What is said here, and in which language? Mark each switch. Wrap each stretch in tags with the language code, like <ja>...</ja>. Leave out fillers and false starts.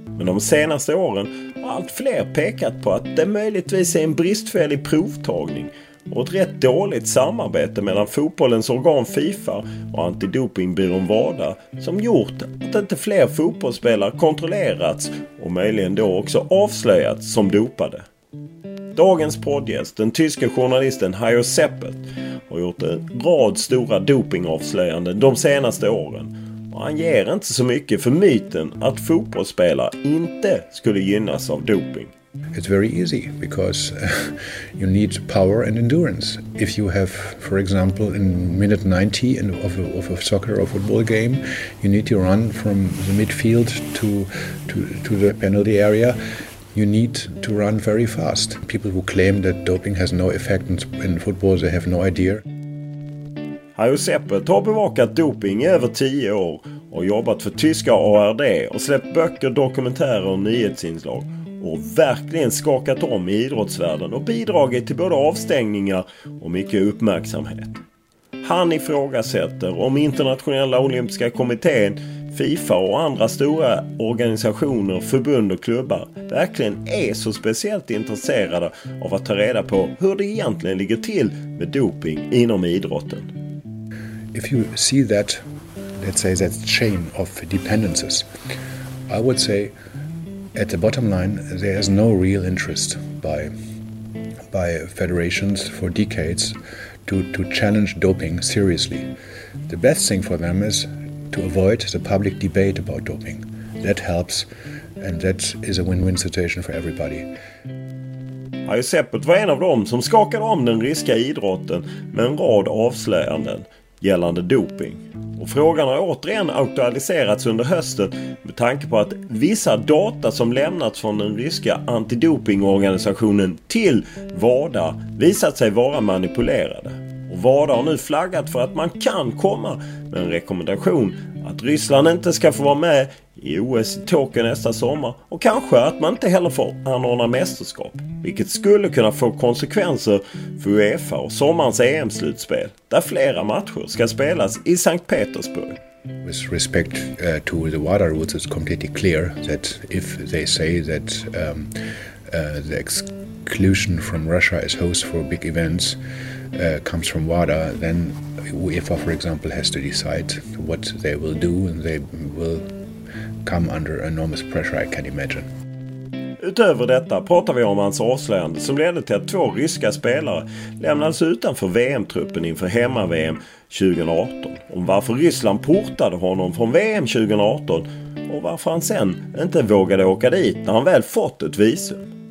<sv>Men de senaste åren har allt fler pekat på att det möjligtvis är en bristfällig provtagning och ett rätt dåligt samarbete mellan fotbollens organ FIFA och antidopingbyrån WADA som gjort att inte fler fotbollsspelare kontrollerats och möjligen då också avslöjats som dopade. Dagens poddgäst, den tyska journalisten Hajo Seppelt, har gjort en rad stora dopingavslöjanden de senaste åren. Och han ger inte så mycket för myten att fotbollsspelare inte skulle gynnas av doping.</sv> <en>It's very easy because you need power and endurance. If you have, for example, in minute 90 of a soccer or football game, you need to run from the midfield to the penalty area. You need to run very fast. People who claim that doping has no effect in football, they have no idea.</en> <sv>Hajo Seppelt har bevakat doping i över 10 år och jobbat för tyska ARD och släppt böcker, dokumentärer och nyhetsinslag och verkligen skakat om i idrottsvärlden och bidragit till både avstängningar och mycket uppmärksamhet. Han ifrågasätter om Internationella olympiska kommittén, FIFA och andra stora organisationer, förbund och klubbar verkligen är så speciellt intresserade av att ta reda på hur det egentligen ligger till med doping inom idrotten.</sv> <en>If you see that, let's say that chain of dependencies, I would say at the bottom line there is no real interest by federations for decades to challenge doping seriously. The best thing for them is to avoid the public debate about doping. That helps, and that is a win-win situation for everybody.</en> <sv>Hajo Seppelt var en av dem som skakade om den ryska idrotten med en rad avslöjanden gällande doping. Och frågan har återigen aktualiserats under hösten med tanke på att vissa data som lämnats från den ryska antidopingorganisationen till WADA visat sig vara manipulerade. Och WADA har nu flaggat för att man kan komma med en rekommendation att Ryssland inte ska få vara med i OS i Tokyo nästa sommar och kanske att man inte heller får anordna mästerskap, vilket skulle kunna få konsekvenser för UEFA och sommarens EM-slutspel där flera matcher ska spelas i Sankt Petersburg.</sv> <en>With respect to the WADA rules, it's completely clear that if they say that the exclusion from Russia as host for big events comes from WADA, then UEFA, for example, has to decide what they will do, and they will come under enormous pressure, I can imagine.</en> <sv>Utöver detta pratar vi om hans avslöjande som ledde till att två ryska spelare lämnades utanför VM-truppen inför hemma-VM 2018. Om varför Ryssland portade honom från VM 2018 och varför han sen inte vågade åka dit när han väl fått ett visum.</sv>